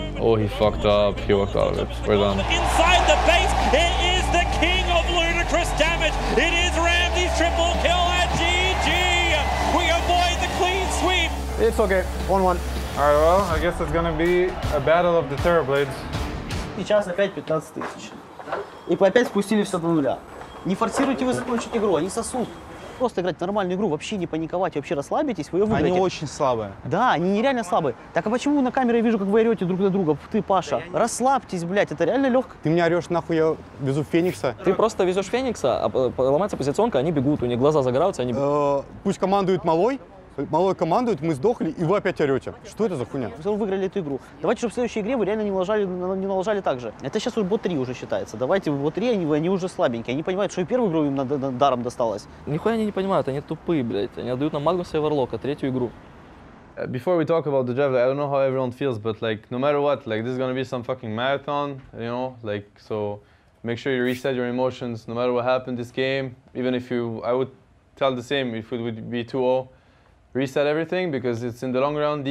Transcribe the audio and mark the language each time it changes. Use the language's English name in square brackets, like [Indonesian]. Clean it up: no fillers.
[English] Oh, he fucked up. He walked out of it. We're done. the base. It is the king of ludicrous damage. It is Ramsey's triple kill at GG. We avoid the clean sweep. It's okay. 1-1. All right, well, I guess it's gonna be a battle of the Terror Blades. [Russian] Сейчас опять 15,000. И опять спустили все до нуля. Не форсируйте вы закончить игру, они сосут. Просто играть нормальную игру, вообще не паниковать, вообще расслабитесь, вы ее выиграете. Они очень слабые. Да, они нереально слабые. Так а почему на камеру я вижу, как вы орете друг на друга? Ты, Паша, расслабьтесь, блядь, это реально легко. Ты меня орешь, нахуй, я везу Феникса. Ты просто везешь Феникса, а ломается позиционка, они бегут, у них глаза загораются, они бегут. Пусть командует Малой. Малой командует, мы сдохли, и вы опять орете. Что это за хуйня? Вы все равно выиграли эту игру. Давайте, чтобы в следующей игре вы реально не налажали так же. Это сейчас уже бот-3 уже считается. Давайте, бот-3, они уже слабенькие. Они понимают, что и первую игру им даром досталось. Нихуя они не понимают, они тупые, блядь. Они отдают нам Магнуса и Варлока, третью игру. [English] Before we talk about the draft, I don't know how everyone feels, but like, no matter what, like, this is gonna be some fucking marathon, you know? Like, so, make sure you reset your emotions, no matter what happened this game. Even if you, I would tell the same, if it would be 2-0. Reset everything because it's in the long run.